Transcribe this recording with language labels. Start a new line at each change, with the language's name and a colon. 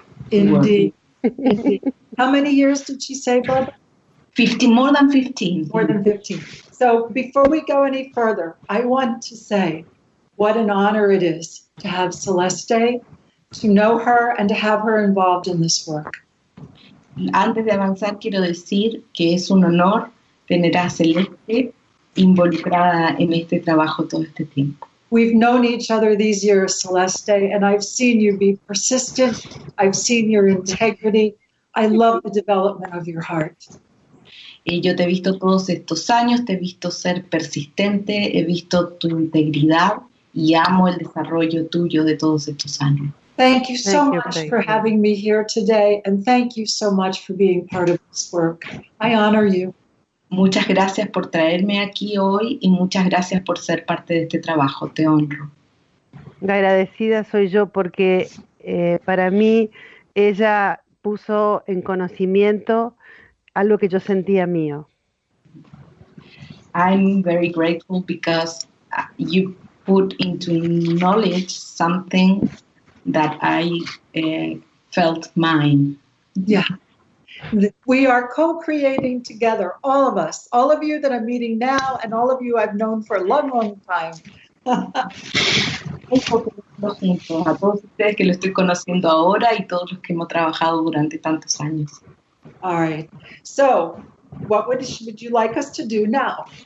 English: Indeed. How many years did she say, Bob? More than 15. So before we go any further, I want to say what an honor it is to have Celeste, to know her, and to have her involved in this work.
Spanish: Antes de avanzar, quiero decir que es un honor tener a Celeste involucrada en este trabajo todo este tiempo.
English: We've known each other these years, Celeste, and I've seen you be persistent. I've seen your integrity. I love the development of your heart.
Spanish: Y yo te he visto todos estos años, te he visto ser persistente, he visto tu integridad y amo el desarrollo tuyo de todos estos años.
English: Thank you so much for having me here today, and thank you so much for being part of this work. I honor you.
Spanish: Muchas gracias por traerme aquí hoy y muchas gracias por ser parte de este trabajo. Te honro. Agradecida soy yo porque para mí ella puso en conocimiento algo que yo sentía mío.
English: I'm very grateful because you put into knowledge something that I felt mine. Yeah. We are co-creating together, all of us, all of you that I'm meeting now, and all of you I've known for a long, long time.
Spanish: A todos ustedes que lo estoy conociendo ahora y todos los que hemos trabajado durante tantos años.
English: All right. So, what would you like us to do now?